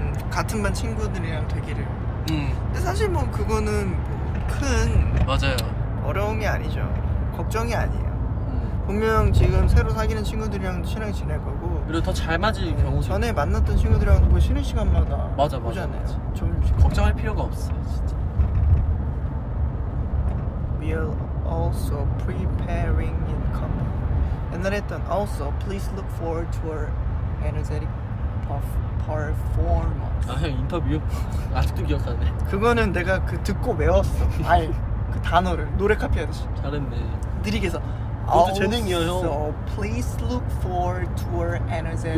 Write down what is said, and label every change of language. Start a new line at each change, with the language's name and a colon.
Korean: 같은 반 친구들이랑 되기를. 근데 사실 뭐 그거는 뭐 큰 맞아요. 어려움이 아니죠. 걱정이 아니에요. 분명 지금 새로 사귀는 친구들이랑도 친하게 지낼 거고 그리고 더 잘 맞을 경우 전에 만났던 친구들이랑도 뭐 쉬는 시간마다 맞아 보잖아요. 맞아 맞아 좀 걱정할 필요가 없어 진짜.
English: We are also preparing in common.
Korean: 옛날에 했던
English: also please look forward to our energetic performance.
Korean: 아 형 인터뷰? 아직도 기억하네. 그거는 내가 그 듣고 외웠어. 아예 그 단어를 노래 카피하듯이 잘했네. 느리게 해서 모두 재능이야 형.
English: So please look for tour energy.